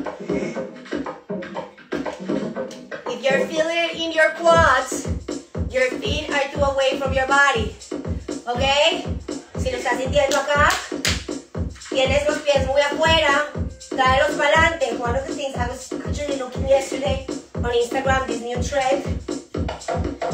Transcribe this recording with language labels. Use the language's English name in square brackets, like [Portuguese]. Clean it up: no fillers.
[English] If you're feeling it in your quads, your feet are too away from your body. Okay? [Spanish] Si lo estás sintiendo acá, tienes los pies muy afuera, tráelos para adelante. [English] One of the things I was actually looking yesterday on Instagram, this new trend.